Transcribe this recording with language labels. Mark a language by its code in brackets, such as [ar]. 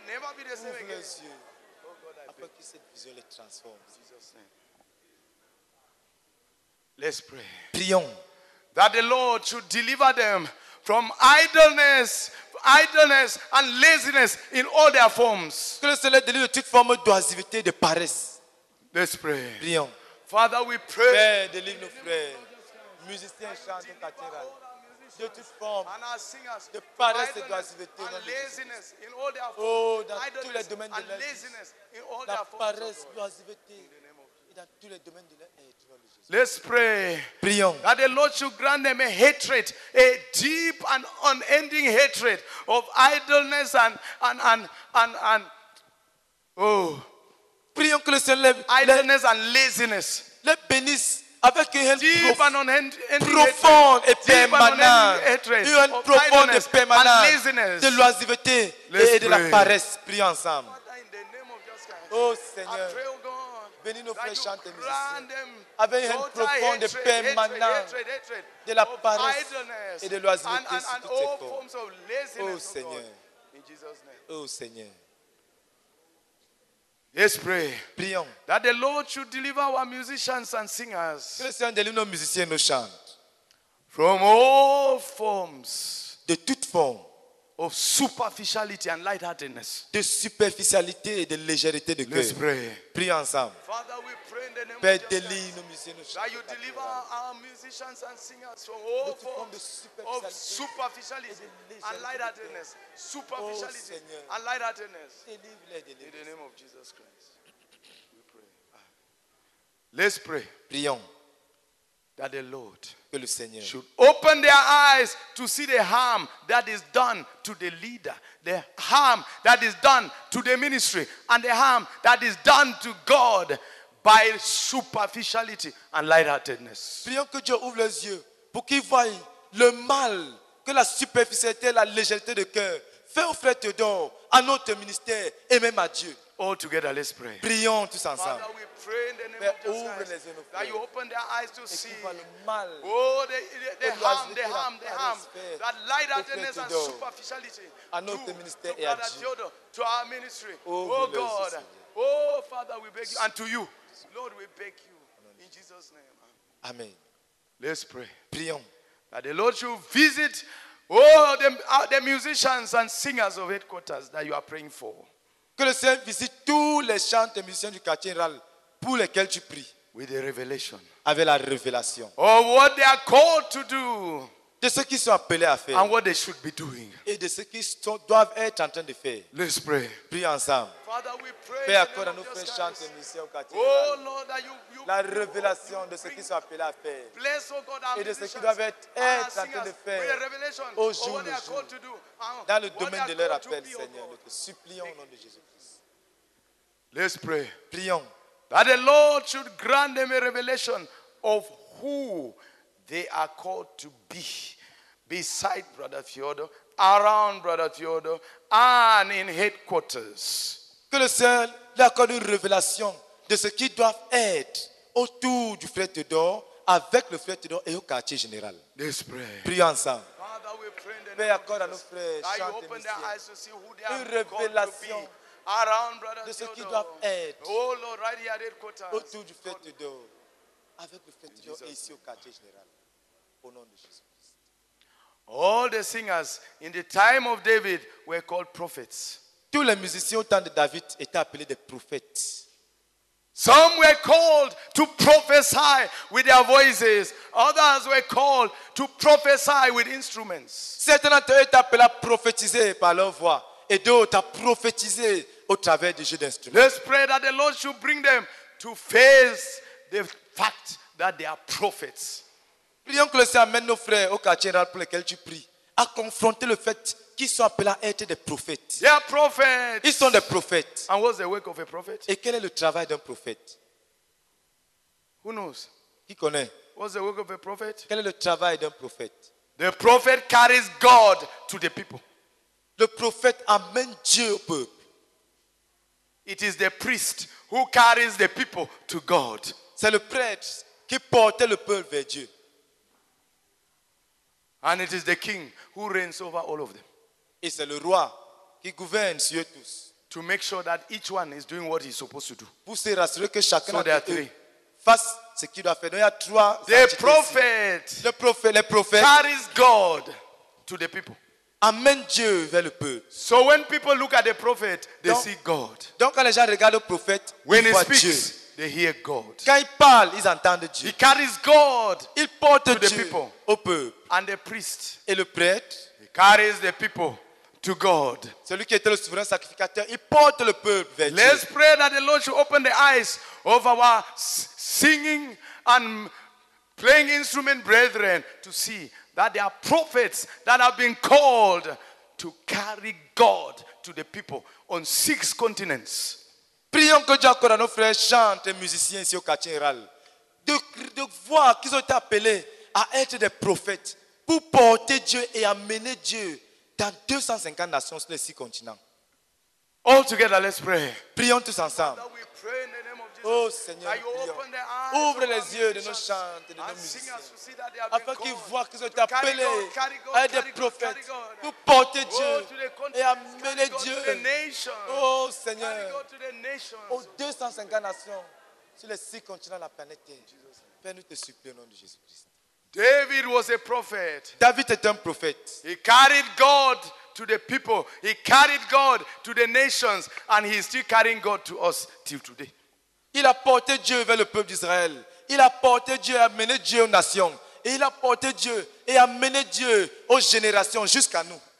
[en] Never be the same again. Oh God, I pray that this vision will transform. Let's pray. [fr] Prions. [en] That the Lord should deliver them from idleness and laziness in all their forms. [fr] Que le Seigneur délivre toute forme d'oisiveté, de paresse. [en] Let's pray. [fr] Prions. [en] Father, we pray. [fr] Père, délivre nos frères, musiciens, chanteurs, cathédrales, de toute forme, [en] and our singers, [fr] de paresse et d'oisiveté. [en] Laziness in all their forms. [fr] Dans tous les domaines de leur vie. La paresse, d'oisiveté. Et dans tous les domaines de leur vie. [en] Let's pray. [fr] Prions. [en] That the Lord should grant them a hatred, a deep and unending hatred of idleness and oh. [fr] Prions que le Seigneur [en] idleness and laziness [fr] les bénisse avec une haine profonde et permanente. Une haine profonde et permanente de l'oisiveté et de la paresse. Prions ensemble. Oh Seigneur, bénis nos frères chanteurs et musiciens avec une haine profonde et permanente de la paresse et de l'oisiveté sur toutes tes corps. Oh Seigneur, oh Seigneur. [en] Let's pray. [fr] Prions. [en] That the Lord should deliver our musicians and singers. [fr] Que le Seigneur délivre nos musiciens et nos chanteurs. [en] From all forms. [fr] De toute forme. [en] Of superficiality and lightheartedness. [fr] De superficialité et de légèreté de cœur. [en] Let's pray. [fr] Prions ensemble. [en] Father, we pray in the name [fr] Père [en] of Jesus. [fr] Père, délivre nos musiciens et nos chanteurs. [en] That you deliver our musicians and singers from all forms of superficiality and lightheartedness. Superficiality oh, and lightheartedness. [fr] Délivre. [en] In the name of Jesus Christ. We pray. Let's pray. [fr] Prions. [en] That the Lord [fr] que le Seigneur [en] should open their eyes to see the harm that is done to the leader, the harm that is done to the ministry, and the harm that is done to God by superficiality and lightheartedness. [fr] Prions que Dieu ouvre les yeux pour qu'il voie le mal que la superficialité et la légèreté de cœur fait aux frères Théodore, à notre ministère et même à Dieu. [en] All together, let's pray. [fr] Prions tous ensemble. [en] Father, we pray in the name of Jesus Christ, [fr] les yeux, [en] that you open their eyes to see [fr] le mal, [en] oh, the harm, that lightheartedness and superficiality [fr] à notre ministère [en] to Brother Theodore, to our ministry. Oh God, oh Father, we beg you, and to you, Lord, we beg you, in Jesus' name. Amen. Let's pray. [fr] Prions. [en] That the Lord should visit all the musicians and singers of headquarters that you are praying for. [fr] Que le Seigneur visite tous les chanteurs et musiciens du quartier général pour lesquels tu pries. [en] With the revelation. [fr] Avec la révélation. [en] Of what they are called to do. [fr] de ce qu'ils sont appelés à faire [en] and what they should be doing. [fr] Et de ce qu'ils doivent être en train de faire. [en] Let's pray. [fr] Prions ensemble. [en] Father, we pray. [fr] Père, accorde à nous faire chanter, Monsieur Kati. [en] Oh Lord, that you [fr] la révélation de ce qu'ils sont appelés à faire. [en] Bless, oh God, [fr] et de ce qu'ils doivent être en train de faire. Au jour le jour. Dans le domaine de leur appel, Seigneur, nous te supplions au nom de Jésus-Christ. [en] Let's pray. [fr] Prions. [en] That the Lord should grant them a revelation of who they are called to be beside Brother Theodore, around Brother Theodore, and in headquarters. [fr] Que le Seigneur leur accorde une révélation de ce qu'ils doivent être autour du frère Theodore, avec le frère Theodore et au quartier général. [en] Let's pray. [fr] Prions ensemble. [en] Father, we pray in the [fr] Père, accorde à nos frères, chante et messieurs, une révélation [en] around Brother [fr] de ce qu'ils doivent être [en] oh Lord, right here at headquarters. [fr] Autour du frère Theodore. Avec le fait de Dieu ici au quartier général, au nom de Jésus Christ. [en] All the singers in the time of David were called prophets. [fr] Tous les musiciens au temps de David étaient appelés des prophètes. [en] Some were called to prophesy with their voices. Others were called to prophesy with instruments. [fr] Certains étaient appelés à prophétiser par leur voix et d'autres à prophétiser au travers du jeu d'instruments. [en] Let's pray that the Lord should bring them to face the fact that they are prophets. [fr] Prions que le Seigneur amène nos frères au quartier général pour lesquels tu pries à confronter le fait qu'ils sont appelés à être des prophètes. [en] They are prophets. [fr] Ils sont des prophètes. [en] And what's the work of a prophet? [fr] Et quel est le travail d'un prophète? [en] Who knows? [fr] Qui connaît? [en] What's the work of a prophet? [fr] Quel est le travail d'un prophète? [en] The prophet carries God to the people. [fr] Le prophète amène Dieu au peuple. [en] It is the priest who carries the people to God. [fr] C'est le prêtre qui portait le peuple vers Dieu. [en] And it is the king who reigns over all of them. [fr] Et c'est le roi qui gouverne sur eux tous. [en] To make sure that each one is doing what he's supposed to do. [fr] Pour se rassurer que chacun [en] so there are three. [fr] Fasse ce qu'il doit faire. Donc il y a trois. [en] The prophet. [fr] Le prophète, les prophètes. [en] Carries God to the people. [fr] Amène Dieu vers le peuple. [en] So when people look at the prophet, they see God. [fr] Donc quand les gens regardent le prophète, [en] when [fr] ils voient [en] speaks, [fr] Dieu. [en] They hear God. [fr] Quand ils parlent, ils entendent Dieu. [en] He carries God. [fr] Il porte [en] to the [fr] Dieu [en] people, [fr] au peuple. [en] And the priest. [fr] Et le prêtre. [en] He carries the people to God. [fr] Celui qui était le souverain sacrificateur, il porte le peuple vers [en] Let's [fr] Dieu. [en] Let's pray that the Lord should open the eyes of our singing and playing instrument brethren to see that there are prophets that have been called to carry God to the people on six continents. [fr] Prions que Dieu accorde à nos frères chantres et musiciens ici au quartier général de voir qu'ils ont été appelés à être des prophètes pour porter Dieu et amener Dieu dans 250 nations sur les six continents. [en] All together, let's pray. [fr] Prions tous ensemble. Oh Seigneur, ouvre les yeux de nos chantres, de nos musiciens, afin qu'ils voient qu'ils ont été appelés à être des prophètes pour porter Dieu et amener Dieu. Oh Seigneur, aux 250 nations sur les six continents de la planète Terre. Père, nous te supplions au nom de Jésus-Christ. [en] David was a prophet. [fr] David était un prophète. [en] He carried God to the people. He carried God to the nations, and he is still carrying God to us till today. [fr] Il a porté Dieu vers le peuple d'Israël. Il a porté Dieu et amené Dieu aux nations. Et il a porté Dieu et amené Dieu aux générations jusqu'à nous.